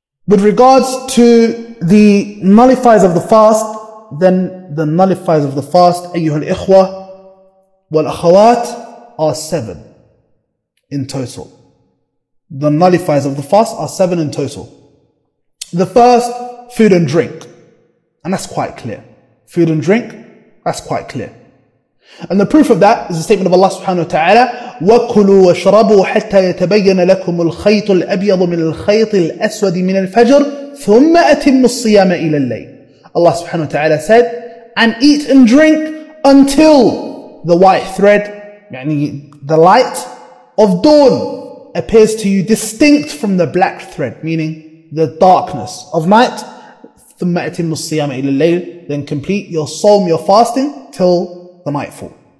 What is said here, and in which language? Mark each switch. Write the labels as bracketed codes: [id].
[en] With regards to the nullifiers of the fast, then the nullifiers of the fast, ayyuhal ikhwa wal akhawat, are 7 in total. The nullifiers of the fast are 7 in total. The first, food and drink. And that's quite clear. Food and drink, that's quite clear. And the proof of that is the statement of Allah subhanahu wa ta'ala, [ar] وَكُلُوا وَشْرَبُوا حَتَّى يَتَبَيَّنَ لَكُمُ الْخَيْطُ الْأَبْيَضُ مِنَ الْخَيْطِ الْأَسْوَدِ مِنَ الْفَجْرِ ثُمَّ أَتِمُّ الصِّيَامَ إِلَى اللَّيْلِ. [en] Allah subhanahu wa ta'ala said, and eat and drink until the white thread, [ar] يعني [en] the light of dawn, appears to you distinct from the black thread, meaning the darkness of night. [ar] ثُمَّ أَتِمُّ الصِّيَامَ إِلَى اللَّيْلِ. [en] Then complete your psalm, your fasting, till the nightfall.